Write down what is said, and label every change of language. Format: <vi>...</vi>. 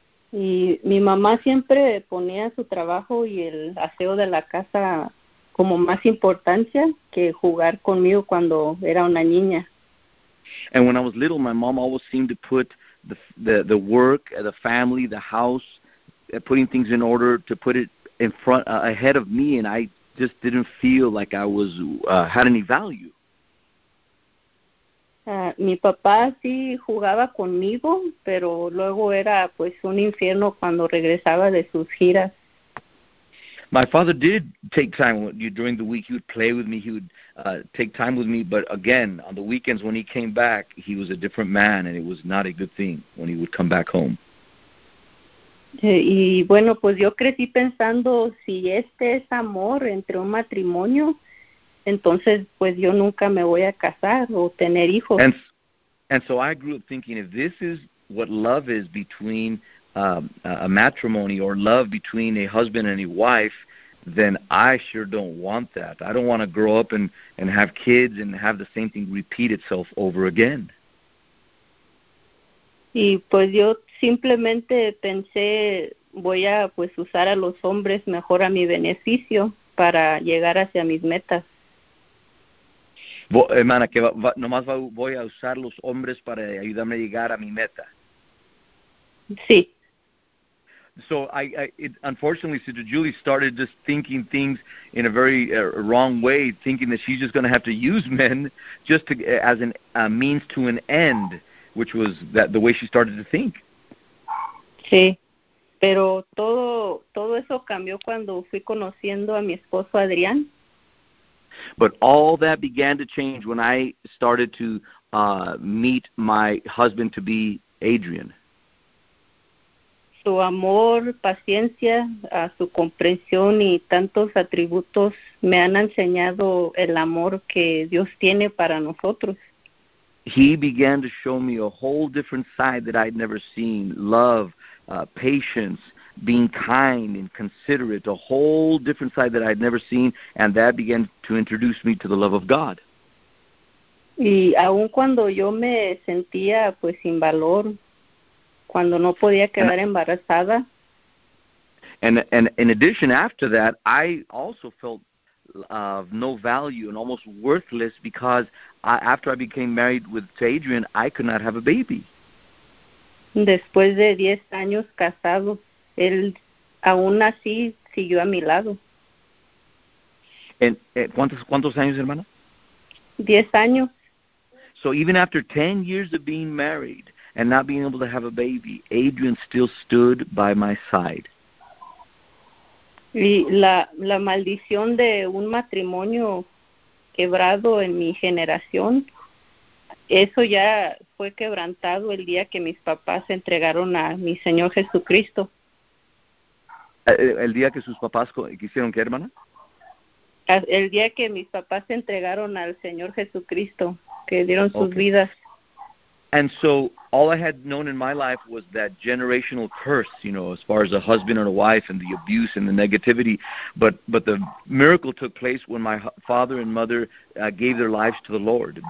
<es>Y mi mamá siempre ponía su trabajo y el aseo de la casa como más importancia que jugar conmigo cuando era una niña.</es> <en>And when I was little, my mom always seemed to put the work, the family, the house, putting things in order, to put it in front, ahead of me, and I just didn't feel like I was had any value.</en> <es>Mi papá sí jugaba conmigo, pero luego era pues un infierno cuando regresaba de sus giras.</es> <en>My father did take time during the week. He would play with me. He would take time with me. But again, on the weekends when he came back, he was a different man, and it was not a good thing when he would come back home.</en> <es>Y bueno, pues yo crecí pensando, si este es amor entre un matrimonio, entonces pues yo nunca me voy a casar o tener hijos.</es> <en>And so I grew up thinking, if this is what love is between a matrimony, or love between a husband and a wife, then I sure don't want that. I don't want to grow up and have kids and have the same thing repeat itself over again.</en> <es>Y pues yo simplemente pensé, voy a pues usar a los hombres mejor a mi beneficio para llegar hacia mis metas. Hermana, que voy a usar los hombres para ayudarme a llegar a mi meta. Sí.</es> <en>So unfortunately, Sister Julie started just thinking things in a very wrong way, thinking that she's just going to have to use men just to, as a means to an end, which was that the way she started to think.</en> <es>Sí, pero todo eso cambió cuando fui conociendo a mi esposo Adrián.</es> <en>But all that began to change when I started to meet my husband to be Adrian.</en> <es>Su amor, paciencia, su comprensión y tantos atributos me han enseñado el amor que Dios tiene para nosotros.</es> <en>He began to show me a whole different side that I'd never seen. Love, patience, being kind and considerate, a whole different side that I'd never seen, and that began to introduce me to the love of God.</en> <es>Y aun cuando yo me sentía pues sin valor, cuando no podía quedar embarazada.</es> <en>And in addition, after that, I also felt of no value and almost worthless because after I became married to Adrian, I could not have a baby.</en> <es>Después de 10 años casado, él aún así siguió a mi lado. ¿Cuántos años, hermana? 10 años.</es> <en>So even after 10 years of being married and not being able to have a baby, Adrian still stood by my side.</en> <es>Y la maldición de un matrimonio quebrado en mi generación, eso ya fue quebrantado el día que mis papás se entregaron a mi Señor Jesucristo. ¿El día que sus papás quisieron qué, hermana? El día que mis papás se entregaron al Señor Jesucristo, que dieron sus vidas.</es> <en>And so all I had known in my life was that generational curse, you know, as far as a husband and a wife and the abuse and the negativity. But the miracle took place when my father and mother gave their lives to the Lord.</en>